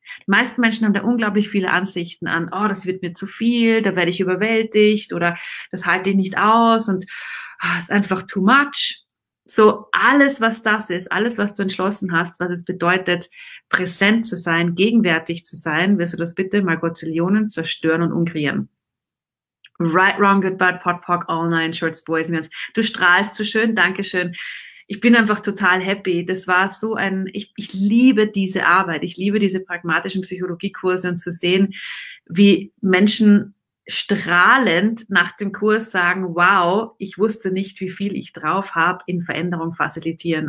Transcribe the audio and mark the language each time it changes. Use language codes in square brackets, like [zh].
[de] Die meisten Menschen haben da unglaublich viele Ansichten an, oh, das wird mir zu viel, da werde ich überwältigt oder das halte ich nicht aus und es ist einfach too much. So alles, was das ist, alles, was du entschlossen hast, was es bedeutet, präsent zu sein, gegenwärtig zu sein, wirst du das bitte mal Gottillionen zerstören und umkreieren. [en] Right, wrong, good, bad, pot, pock, all nine shorts, boys and girls. [de] Du strahlst so schön, Dankeschön. Ich bin einfach total happy. Das war so ein, ich liebe diese Arbeit. Ich liebe diese pragmatischen Psychologiekurse und zu sehen, wie Menschen strahlend nach dem Kurs sagen, wow, ich wusste nicht, wie viel ich drauf habe in Veränderung facilitieren.